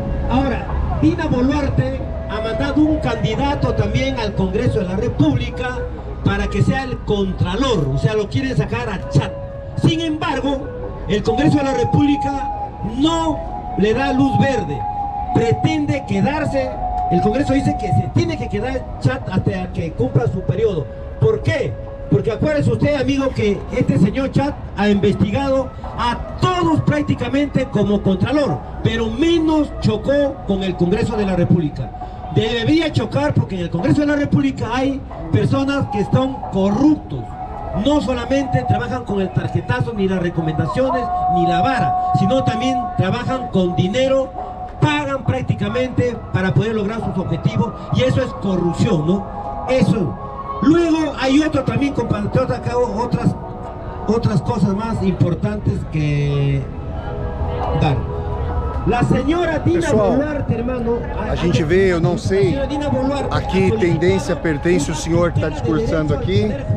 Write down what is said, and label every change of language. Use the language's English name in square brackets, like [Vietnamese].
[Portuguese] Agora, Dina Boluarte ha mandado um candidato também ao Congresso da República para que seja o contralor, ou seja, [Spanish] lo quieren sacar a chat. Sin embargo, el Congreso de la República no le da luz verde. Pretende quedarse. El Congreso dice que se tiene que quedar chat hasta que cumpla su periodo. ¿Por qué? Porque acuérdense usted, amigo, que este señor chat ha investigado a todos prácticamente como contralor, pero menos chocó con el Congreso de la República. Debería chocar porque en el Congreso de la República hay personas que son corruptos. No solamente trabajan con el tarjetazo, ni las recomendaciones, ni la vara, sino también trabajan con dinero, pagan prácticamente para poder lograr sus objetivos, y eso es corrupción, ¿no? Eso. Luego hay otro también, compatriota, acá otras cosas más importantes que dar. La señora Dina Boluarte, hermano. [Portuguese] A gente vê, eu não sei a que tendência pertence o senhor que está discursando aqui.